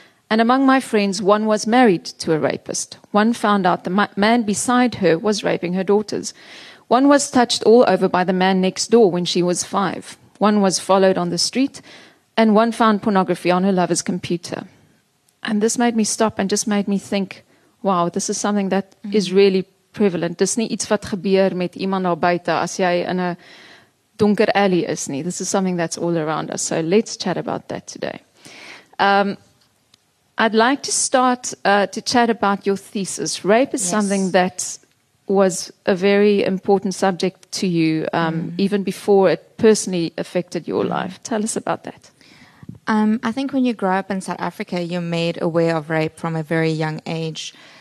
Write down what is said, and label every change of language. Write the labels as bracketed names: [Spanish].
[English] And among my friends, one was married to a rapist. One found out the man beside her was raping her daughters. One was touched all over by the man next door when she was 5. One was followed on the street, and one found pornography on her lover's computer. And this made me stop and just made me think, wow, this is something that is really prevalent. [Afrikaans] Dis nie iets wat gebeur met iemand daar buite as jy in 'n donker alley is nie. [English] This is something that's all around us. So let's chat about that today. I'd like to start to chat about your thesis. Rape is something that was a very important subject to you, even before it personally affected your life. Tell us about that. I think when you grow up in South Africa, you're made aware of rape from a very young age.